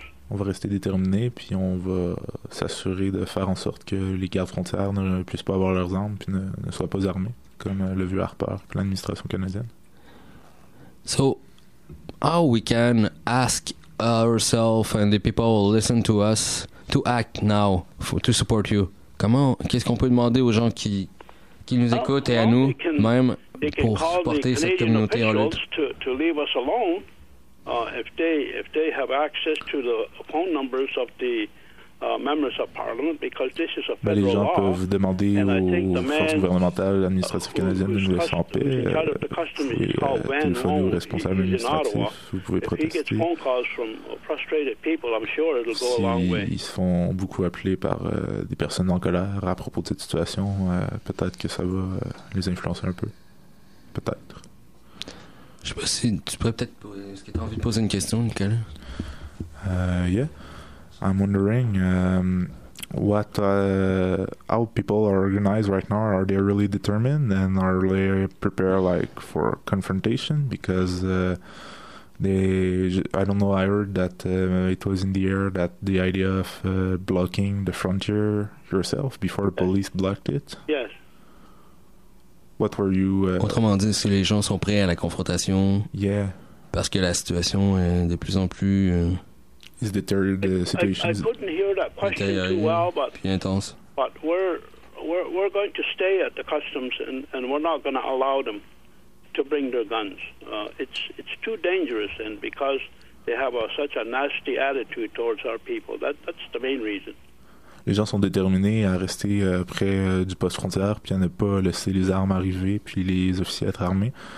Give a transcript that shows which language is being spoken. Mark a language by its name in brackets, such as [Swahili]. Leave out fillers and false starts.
[French] On va rester déterminés, puis on va s'assurer de faire en sorte que les gardes frontières ne puissent pas avoir leurs armes, puis ne soient pas armés, comme le vieux Harper, l'administration canadienne. [English] So, how we can ask ourselves and the people listen to us to act now to support you. [French] Comment, qu'est-ce qu'on peut demander aux gens qui nous écoutent et à nous même pour supporter cette communauté en lutte? [English] To leave us alone if they have access to the phone numbers of the members of parliament, because this is a federal law. [French] Les gens peuvent demander aux forces gouvernementales, administratives canadiennes, de nous laisser en paix. Téléphoner aux responsables administratifs. Vous pouvez protester. S'ils se font beaucoup appeler par des personnes en colère à propos de cette situation, peut-être que ça va les influencer un peu. Peut-être. Je sais pas si tu pourrais peut-être. Est-ce que tu as envie de poser une question, Nicolas? [English] Yeah. I'm wondering how people are organized right now. Are they really determined and are they prepared like for confrontation? Because I don't know, I heard that it was in the air that the idea of blocking the frontier yourself before the police blocked it. Yes. What were you... [French] Autrement dit, si les gens sont prêts à la confrontation. [English] Yeah. [French] Parce que la situation est de plus en plus... [English] Is the third situation? I couldn't hear that question too well, but we're going to stay at the customs and we're not going to allow them to bring their guns. It's too dangerous, and because they have such a nasty attitude towards our people, that's the main reason. [French] Les gens sont déterminés à rester près du poste frontière, puis à ne pas laisser les armes arriver, puis les officiers être armés.